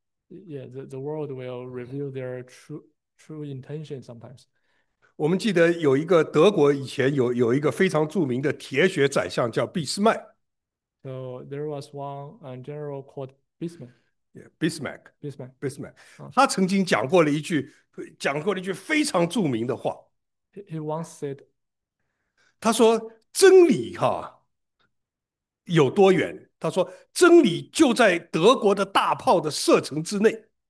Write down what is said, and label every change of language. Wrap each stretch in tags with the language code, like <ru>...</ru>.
<en>Yeah, the world will reveal their true intention sometimes.</en> <zh>我们记得有一个德国以前有一个非常著名的铁血宰相叫俾斯麦。</zh> <en>So there was one general called Bismarck. Yeah, Bismarck. Bismarck. Bismarck.</en> <zh>他曾经讲过了一句非常著名的话。</zh> <en>He once said,</en> <zh>他说真理哈有多远？他说真理就在德国的大炮的射程之内。</zh>